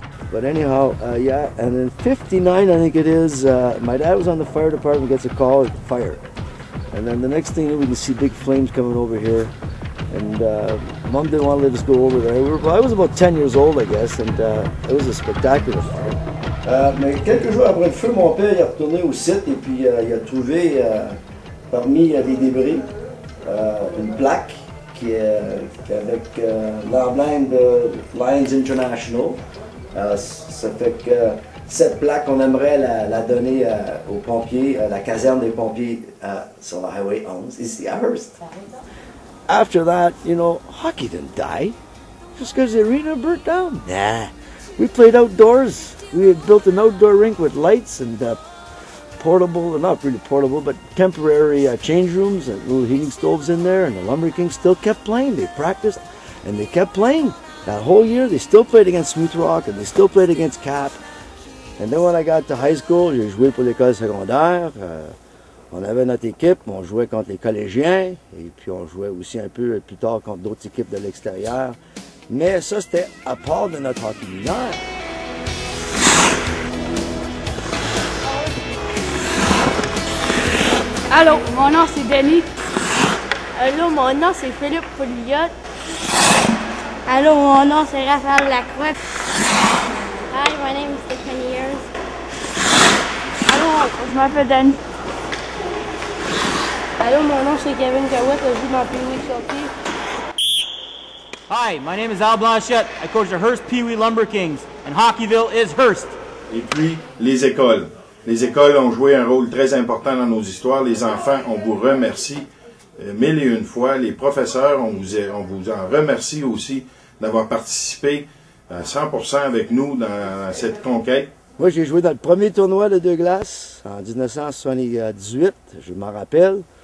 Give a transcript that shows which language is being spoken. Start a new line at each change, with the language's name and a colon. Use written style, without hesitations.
English: But anyhow, yeah, and in 59, I think it is, my dad was on the fire department, gets a call, fire. And then the next thing, we can see big flames coming over here, and mom didn't want to let us go over there. I was about 10 years old, I guess, and it was a spectacular fire.
French: Mais quelques jours après le feu, mon père est retourné au site et puis il a trouvé parmi les débris une plaque avec l'emblème de Lions International. Ça fait que cette plaque, on aimerait la donner aux pompiers, à la caserne des pompiers sur la Highway 11, ici à Hearst.
English: After that, you know, hockey didn't die just because the arena burnt down. Nah, we played outdoors. We had built an outdoor rink with lights and portable, not really portable, but temporary change rooms and little heating stoves in there, and the Lumber Kings still kept playing. They practiced and they kept playing. That whole year they still played against Smooth Rock and they still played against Cap. And then when I got to high school,
French: j'ai joué pour l'école secondaire. On avait notre équipe, on jouait contre les collégiens, et puis on jouait aussi un peu plus tard contre d'autres équipes de l'extérieur. Mais ça c'était à part de notre hockey mineur. Allô, mon nom c'est Denis. Allô, mon nom c'est Philippe Pouliot. Allô, mon nom c'est Raphaël Lacroix.
English: Hi, my name is Stephanie Years.
French: Allô, je m'appelle Denis. Allô, mon nom c'est Kevin Jawett, je joue dans Pee-wee Chalky.
English: Hi, my name is Al Blanchette. I coach the Hearst Pee-wee Lumber Kings, and Hockeyville is Hearst.
French: Et puis, les écoles. Les écoles ont joué un rôle très important dans nos histoires. Les enfants, on vous remercie mille et une fois. Les professeurs, on vous en remercie aussi d'avoir participé à 100% avec nous dans cette conquête. Moi, j'ai joué dans le premier tournoi de deux glaces en 1978, je m'en rappelle.